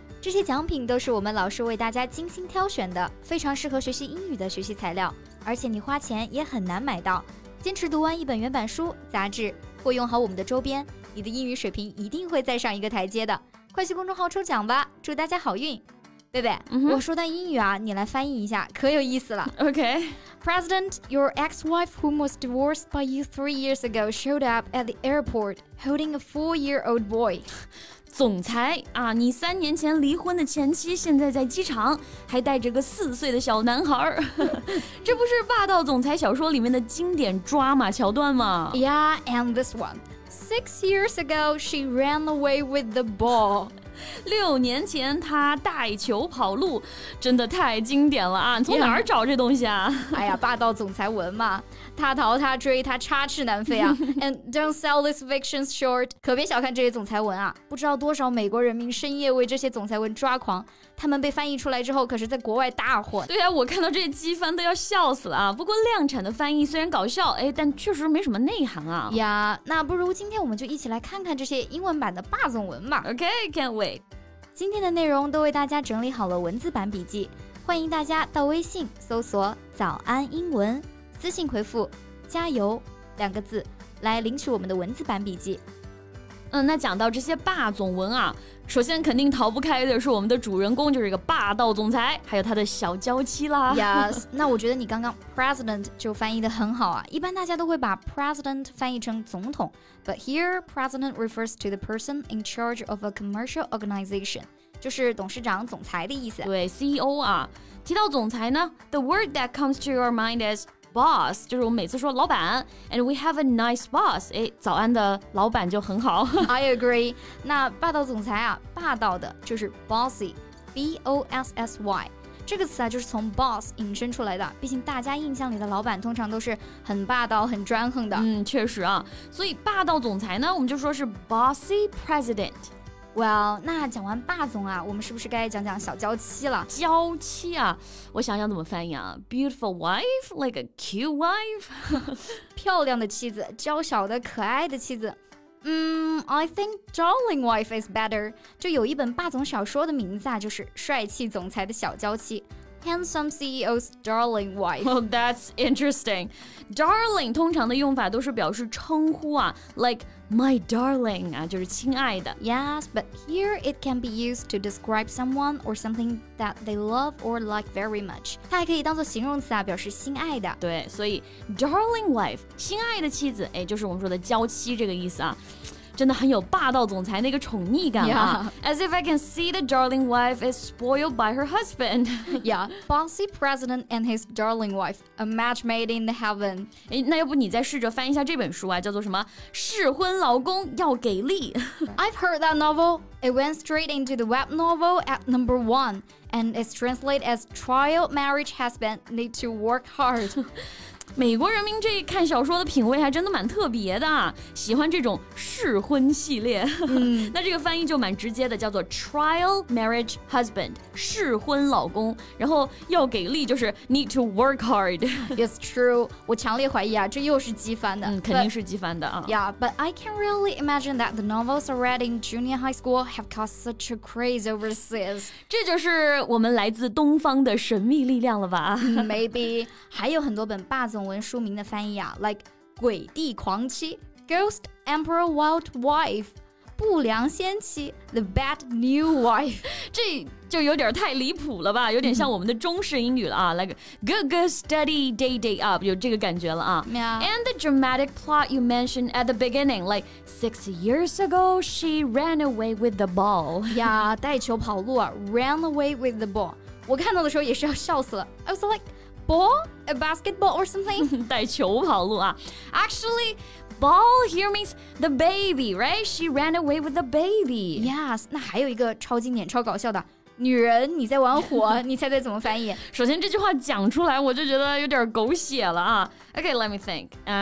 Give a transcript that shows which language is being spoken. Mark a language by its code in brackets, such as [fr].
[zh] 这些奖品都是我们老师为大家精心挑选的，非常适合学习英语的学习材料，而且你花钱也很难买到。坚持读完一本原版书、杂志，或用好我们的周边，你的英语水平一定会再上一个台阶的。快去公众号抽奖吧，祝大家好运。贝贝、我说段英语啊，你来翻译一下，可有意思了。 [en] OK. President, your ex-wife whom was divorced by you 3 years ago showed up at the airport holding a 4-year-old boy. [zh] 总裁啊，你三年前离婚的前妻现在在机场还带着个4岁的小男孩。这不是霸道总裁小说里面的经典抓马桥段吗？ [en] Yeah, and this one. 6 years ago, she ran away with the ball. [zh] 6年前她带球跑路，真的太经典了啊，从哪儿找这东西啊？ Yeah. 哎呀，霸道总裁文嘛，他逃他追他插翅难飞啊。 [en] And don't sell this fiction short. [zh] 可别小看这些总裁文啊，不知道多少美国人民深夜为这些总裁文抓狂，他们被翻译出来之后可是在国外大火。对啊，我看到这些机翻都要笑死了啊。不过量产的翻译虽然搞笑，哎，但确实没什么内涵啊。 Yeah, 那不如今天我们就一起来看看这些英文版的霸总文吧。 [en] OK, can't wait. [zh] 今天的内容都为大家整理好了文字版笔记，欢迎大家到微信搜索早安英文，私信回复加油两个字来领取我们的文字版笔记。那讲到这些霸总文啊，首先肯定逃不开的是我们的主人公，就是一个霸道总裁还有他的小娇妻啦。 Yes, 那我觉得你刚刚 president 就翻译得很好啊，一般大家都会把 president 翻译成总统， [en] but here president refers to the person in charge of a commercial organization, [zh] 就是董事长总裁的意思。对， CEO 啊，提到总裁呢， [en] the word that comes to your mind is boss, [zh] 就是我每次说老板。 [en] And we have a nice boss, 诶， [zh] 早安的老板就很好。 [en] I agree. [zh] 那霸道总裁啊，霸道的就是 bossy, B-O-S-S-Y。这个词啊，就是从 boss 引申出来的。毕竟大家印象里的老板通常都是很霸道、很专横的。确实啊，所以霸道总裁呢，我们就说是 bossy president。 Well, 那讲完霸总啊，我们是不是该讲讲小娇妻了？娇妻啊，我想想怎么翻译啊。 [en] Beautiful wife, like a cute wife. [zh] 漂亮的妻子，娇小的可爱的妻子。 [en] I think darling wife is better. [zh] 就有一本霸总小说的名字啊，就是帅气总裁的小娇妻。 [en] Handsome CEO's darling wife. Well, that's interesting. [zh] Darling 通常的用法都是表示称呼啊， [en] like my darling [zh] 啊，就是亲爱的。 [en] Yes, but here it can be used to describe someone or something that they love or like very much. [zh] 它还可以当作形容词啊，表示心爱的。对，所以 darling wife 心爱的妻子，哎，就是我们说的娇妻这个意思啊。真的很有霸道总裁那个宠溺感啊。 [en] Yeah. As if I can see the darling wife is spoiled by her husband. Yeah, bossy president and his darling wife, a match made in the heaven. [zh] 诶，那要不你再试着翻一下这本书啊，叫做什么？试婚老公要给力。 [en] I've heard that novel. It went straight into the web novel at number one, and it's translated as trial marriage husband need to work hard. [zh] 美国人民这看小说的品味还真的蛮特别的，喜欢这种试婚系列。那这个翻译就蛮直接的，叫做 [en] trial marriage husband, [zh] 试婚老公，然后要给力就是 [en] need to work hard. It's true. [zh] 我强烈怀疑啊，这又是机翻的。肯定是机翻的啊。 [en] Yeah, but I can't really imagine that the novels I read in junior high school have caused such a craze overseas. [zh] 这就是我们来自东方的神秘力量了吧。 [en] Maybe. [zh] 还有很多本霸总文书名的翻译啊， like 鬼帝狂妻， [en] Ghost Emperor Wild Wife， [zh] 不良仙妻， [en] The Bad New Wife。 [zh] 这就有点太离谱了吧，有点像我们的中式英语了啊。 [en] Like good good steady day day up， [zh] 有这个感觉了啊。 [en] Yeah. And the dramatic plot you mentioned at the beginning, like 6 years ago she ran away with the ball. Yeah, [zh] 带球跑路啊， [en] ran away with the ball. [zh] 我看到的时候也是要笑死了。 [en] I was likeBall? A basketball or something? [zh] 带球跑路啊。 [en] Actually, ball here means the baby, right? She ran away with the baby. [zh] Yes, 那还有一个超经典超搞笑的。女人你在玩火你猜猜怎么翻译首先这句话讲出来我就觉得有点狗血了啊 [en] Okay, let me think.